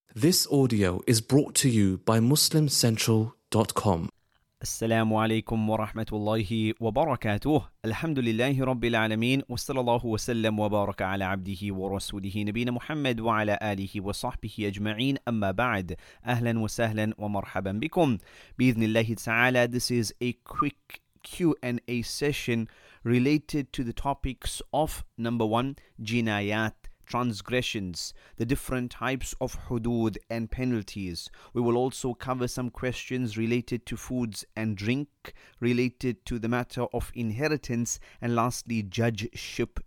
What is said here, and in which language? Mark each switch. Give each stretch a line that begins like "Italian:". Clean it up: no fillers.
English: This audio is brought to you by MuslimCentral.com.
Arabic: السلام عليكم ورحمة الله وبركاته. الحمد لله رب العالمين، وصلى الله وسلم وبارك على عبده ورسوله نبينا محمد وعلى آله وصحبه أجمعين. أما بعد، أهلا وسهلا ومرحبا بكم بإذن الله تعالى.
English: This is a quick Q&A session related to the topics of number one, جنايات. Transgressions, the different types of hudud and penalties. We will also cover some questions related to foods and drink, related to the matter of inheritance, and lastly, judgeship.